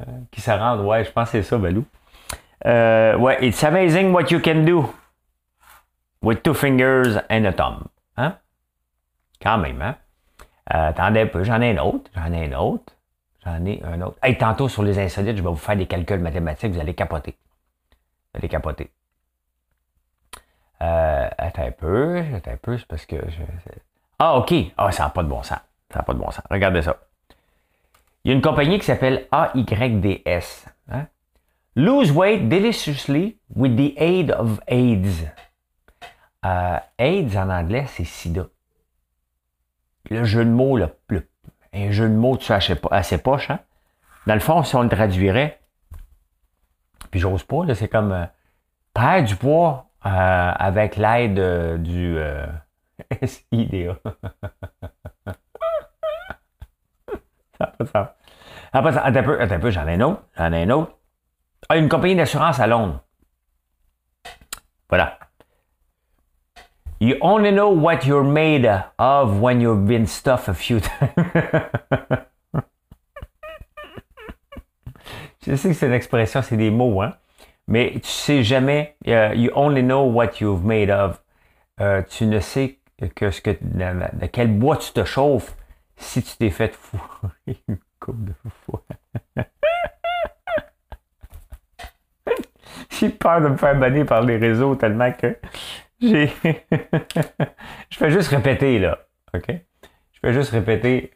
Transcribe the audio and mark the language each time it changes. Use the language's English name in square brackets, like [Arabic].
[French] qui se rend, ouais, je pense que c'est ça, Balou. Ouais, [English] it's amazing what you can do with two fingers and a thumb. [French] Hein? Quand même, hein? Attendez un peu, j'en ai un autre. Hey, tantôt sur les insolites, je vais vous faire des calculs mathématiques, vous allez capoter. Attends un peu, c'est parce que... OK! Ah, ça n'a pas de bon sens. Regardez ça. Il y a une compagnie qui s'appelle AYDS. Hein? [English] Lose weight deliciously with the aid of AIDS. [French] AIDS, en anglais, c'est SIDA. Le jeu de mots, un jeu de mots tu assez poche. Hein? Dans le fond, si on le traduirait, puis j'ose pas, là, c'est comme perdre du poids avec l'aide du SIDA. Ça n'a pas de sens. Attends un peu, j'en ai un autre. Ah, une compagnie d'assurance à Londres. Voilà. [English] You only know what you're made of when you've been stuffed a few times. [French] Je sais que c'est une expression, c'est des mots, hein. Mais tu sais jamais, [English] you only know what you've made of. [French] Tu ne sais que ce que, de quel bois tu te chauffes si tu t'es fait fourrer une couple de fois. J'ai peur de me faire bannir par les réseaux tellement que j'ai... Je fais juste répéter, là. OK? Je fais juste répéter.